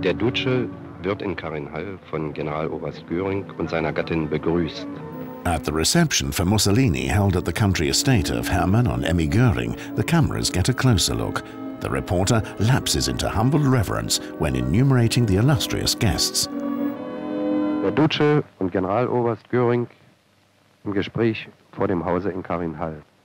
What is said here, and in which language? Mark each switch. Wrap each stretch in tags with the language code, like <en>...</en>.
<de>Der Duce wird in Karinhall von Generaloberst Göring und seiner Gattin begrüßt.</de> <en>At the reception for Mussolini held at the country estate of Hermann und Emmy Göring, the cameras get a closer look. The reporter lapses into humble reverence when enumerating the illustrious guests.</en> <de>Der Duce und Generaloberst Göring im Gespräch vor dem Hause in Karinhall.</de>